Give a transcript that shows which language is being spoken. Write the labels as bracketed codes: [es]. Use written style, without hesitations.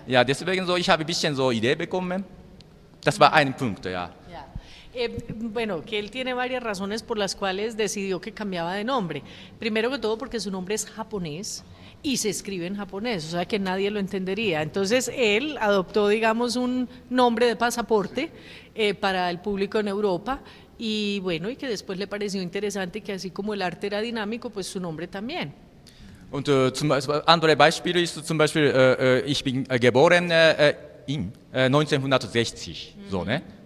[de] Ja, deswegen, so, ich habe ein bisschen so Idee bekommen. Das war ein Punkt, ja. [es] Bueno, que él tiene varias razones por las cuales decidió que cambiaba de nombre. Primero que todo porque su nombre es japonés y se escribe en japonés, o sea que nadie lo entendería. Entonces él adoptó, digamos, un nombre de pasaporte para el público en Europa y bueno, y que después le pareció interesante que así como el arte era dinámico, pues su nombre también. [de] Und zum andere Beispiel ist zum Beispiel, ich bin geboren in 1960, so, ne?